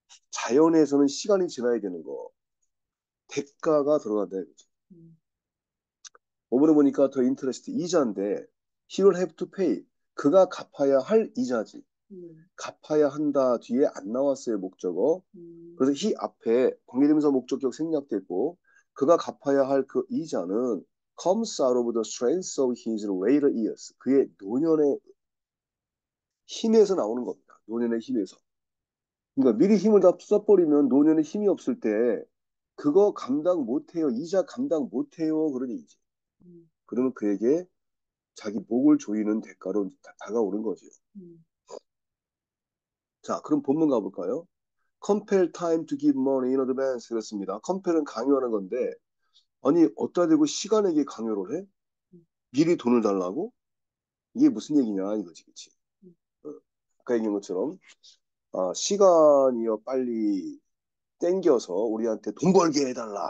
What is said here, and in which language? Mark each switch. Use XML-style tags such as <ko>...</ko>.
<ko>자연에서는 시간이 지나야 되는 거. 대가가 들어간다. 오늘 보니까 더 인터레스트 이자인데,</ko> <en>he'll have to pay.</en> <ko>그가 갚아야 할 이자지. 갚아야 한다 뒤에 안 나왔어요, 목적어. 그래서 he 앞에 관계대명사 목적격 생략됐고, 그가 갚아야 할그 이자는</ko> <en>comes out of the strength of his later years.</en> <ko>그의 노년의 힘에서 나오는 겁니다. 노년의 힘에서. 그러니까 미리 힘을 다 쏟아버리면 노년의 힘이 없을 때, 그거 감당 못해요. 이자 감당 못해요. 그러니 이제. 그러면 그에게 자기 목을 조이는 대가로 다가오는 거죠. 자, 그럼 본문 가볼까요?</ko> <en>Compel time to give money in advance.</en> <ko>그랬습니다. Compel은 강요하는 건데, 아니, 어디다 대고 시간에게 강요를 해? 미리 돈을 달라고? 이게 무슨 얘기냐, 이거지, 그치? 아까 얘기한 것처럼, 아, 시간이요, 빨리 땡겨서 우리한테 돈 벌게 해달라.</ko>